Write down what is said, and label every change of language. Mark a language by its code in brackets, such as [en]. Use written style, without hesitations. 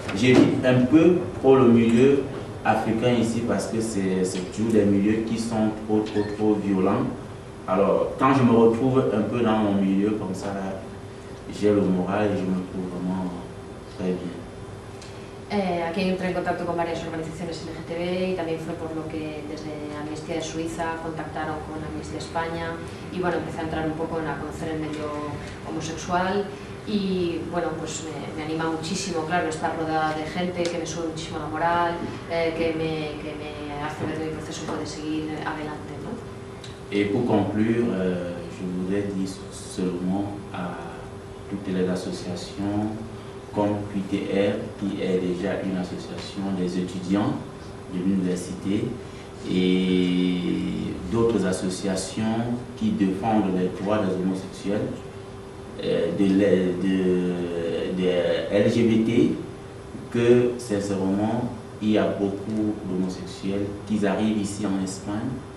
[fr] J'évite un peu trop le milieu africain ici parce que c'est toujours des milieux qui sont trop violents. Alors, quand je me retrouve un peu dans mon milieu comme ça, là, j'ai le moral et je me trouve vraiment très bien. [es] Aquí entré en contacto con varias organizaciones LGTB y también fue por lo que desde Amnistía de Suiza contactaron con Amnistía España y bueno, empecé a entrar un poco en a conocer el medio homosexual y bueno, pues me anima muchísimo, claro, estar rodeada de gente que me sube muchísimo la moral, que me hace ver que mi proceso puede seguir adelante. [fr] Et pour conclure, je voudrais dire seulement à toutes les associations comme QTR, qui est déjà une association des étudiants de l'université, et d'autres associations qui défendent les droits des homosexuels, de LGBT, que sincèrement, il y a beaucoup d'homosexuels qui arrivent ici en Espagne,